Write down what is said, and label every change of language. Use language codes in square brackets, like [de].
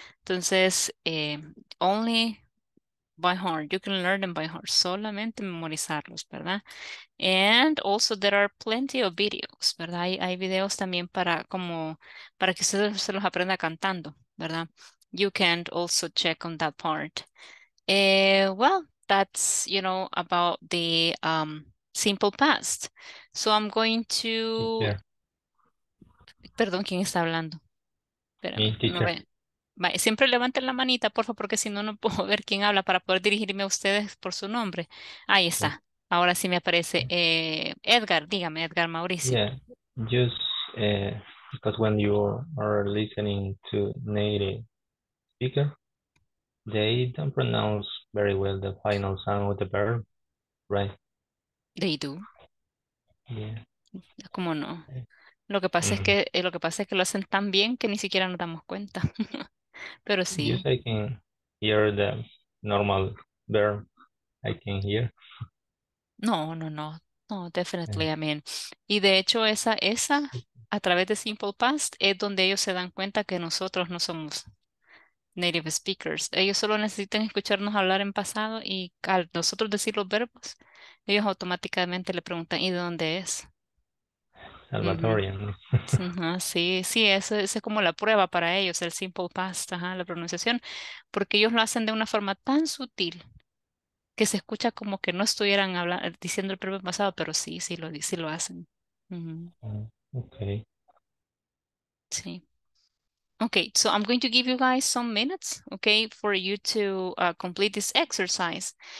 [en] Entonces, only by heart. You can learn them by heart. [es] Solamente memorizarlos, ¿verdad? [en] And also there are plenty of videos, ¿verdad? [es] Hay videos también para que usted se los aprenda cantando, ¿verdad? [en] You can also check on that part. Well, that's, you know, about the simple past. So I'm going to... Teacher. [es] Perdón, ¿quién está hablando? Espérame, siempre levanten la manita, por favor, porque si no, no puedo ver quién habla para poder dirigirme a ustedes por su nombre. Ahí está. Ahora sí me aparece Edgar. Dígame, Edgar Mauricio. [en] Yeah, just because when you are listening to native speaker, they don't pronounce very well the final sound of the verb, right? They do. Yeah. [es] ¿Cómo no? Lo que pasa es que lo hacen tan bien que ni siquiera nos damos cuenta. Pero sí. [en] Yes, I can hear the normal verb. I can hear. No, definitely. Yeah. I mean, [es] y de hecho esa a través de Simple Past es donde ellos se dan cuenta que nosotros no somos native speakers. Ellos solo necesitan escucharnos hablar en pasado y al nosotros decir los verbos, ellos automáticamente le preguntan, ¿y de dónde es? Salvadoreña. Uh-huh. Sí, esa es como la prueba para ellos, el simple past, ajá, la pronunciación, porque ellos lo hacen de una forma tan sutil que se escucha como que no estuvieran diciendo el verbo pasado, pero sí lo hacen. Uh-huh. [en] Okay. Sí. Okay, so I'm going to give you guys some minutes, okay, for you to complete this exercise.